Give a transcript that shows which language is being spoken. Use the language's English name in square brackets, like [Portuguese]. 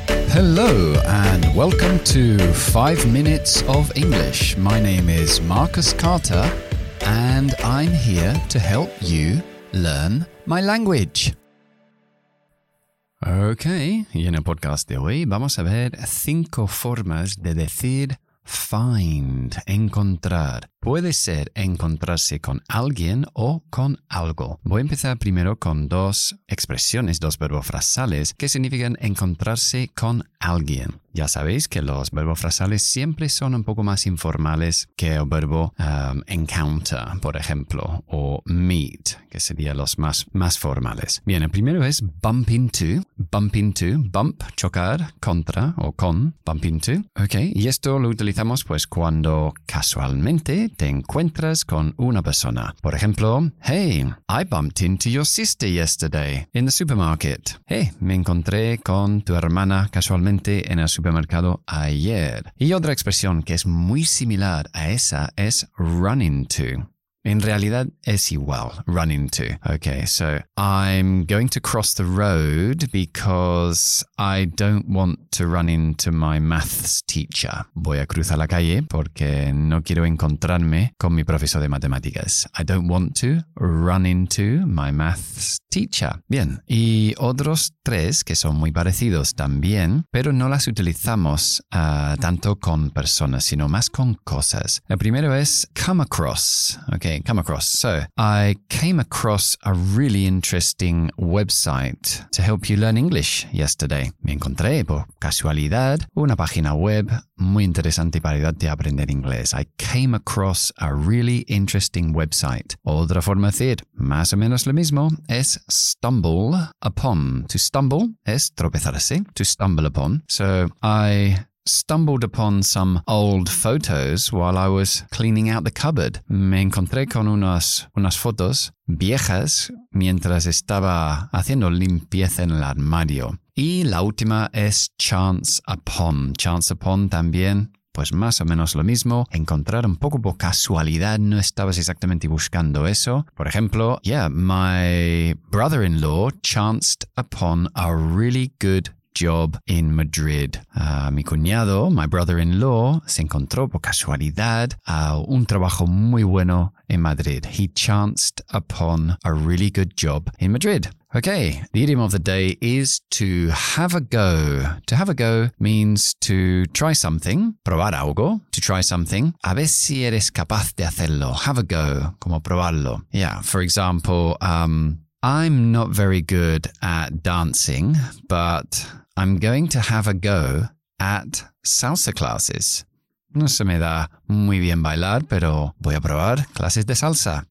[English] Hello and welcome to 5 Minutes of English. My name is Marcus Carter and I'm here to help you learn my language. [Spanish] Ok, y en el podcast de hoy vamos a ver 5 formas de decir find, encontrar. Puede ser encontrarse con alguien o con algo. Voy a empezar primero con 2 expresiones, 2 verbos frasales que significan encontrarse con alguien. Ya sabéis que los verbos frasales siempre son un poco más informales que el verbo encounter, por ejemplo, o meet, que serían los más formales. Bien, el primero es bump into, bump, chocar, contra o con, bump into. Ok, y esto lo utilizamos pues cuando casualmente te encuentras con una persona. Por ejemplo, [English] hey, I bumped into your sister yesterday in the supermarket. [Spanish] Hey, me encontré con tu hermana casualmente en el supermercado ayer. Y otra expresión que es muy similar a esa es run into. En realidad es igual, run into. [English] Okay, so I'm going to cross the road because I don't want to run into my maths teacher. [Spanish] Voy a cruzar la calle porque no quiero encontrarme con mi profesor de matemáticas. [English] I don't want to run into my maths teacher. [Spanish] Bien, y otros 3 que son muy parecidos también, pero no las utilizamos tanto con personas, sino más con cosas. El primero es [English] come across, okay? Come across. So, I came across a really interesting website to help you learn English yesterday. [Spanish] Me encontré, por casualidad, una página web muy interesante para ayudarte a aprender inglés. [English] I came across a really interesting website. [Spanish] Otra forma de decir, más o menos lo mismo, es stumble upon. [English] To stumble [Spanish] es tropezarse. [English] To stumble upon. So, I stumbled upon some old photos while I was cleaning out the cupboard. [Spanish] Me encontré con unas fotos viejas mientras estaba haciendo limpieza en el armario. Y la última es chance upon. Chance upon también, pues más o menos lo mismo. Encontrar un poco por casualidad, no estabas exactamente buscando eso. Por ejemplo, [English] yeah, my brother-in-law chanced upon a really good job in Madrid. [Spanish] Mi cuñado, [English] my brother-in-law, [Spanish] se encontró por casualidad a un trabajo muy bueno en Madrid. [English] He chanced upon a really good job in Madrid. Okay, the idiom of the day is to have a go. To have a go means to try something, [Spanish] probar algo, [English] to try something, [Spanish] a ver si eres capaz de hacerlo. [English] Have a go, [Spanish] como probarlo. [English] Yeah, for example, I'm not very good at dancing, but I'm going to have a go at salsa classes. [Spanish] No se me da muy bien bailar, pero voy a probar clases de salsa.